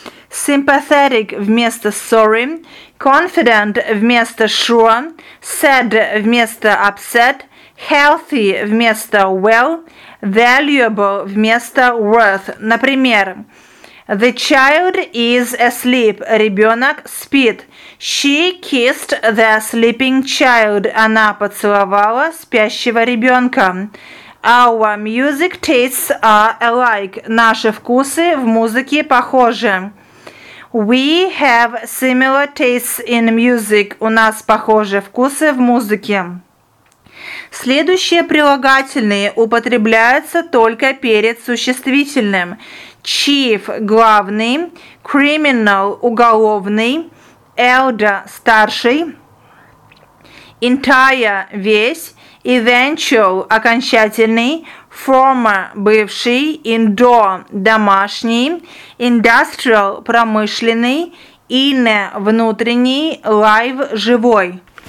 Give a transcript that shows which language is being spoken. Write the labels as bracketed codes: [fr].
[en] sympathetic вместо sorry, confident вместо sure, sad вместо upset, healthy вместо well, valuable вместо worth. Например, the child is asleep. [ru] Ребенок спит. [en] She kissed the sleeping child. [ru] Она поцеловала спящего ребенка. [en] Our music tastes are alike. [ru] Наши вкусы в музыке похожи. [en] We have similar tastes in music. [ru] У нас похожи вкусы в музыке. Следующие прилагательные употребляются только перед существительным. Chief – главный, criminal – уголовный, elder – старший, entire – весь, eventual – окончательный, former – бывший, indoor – домашний, industrial – промышленный, inner – внутренний, live – живой.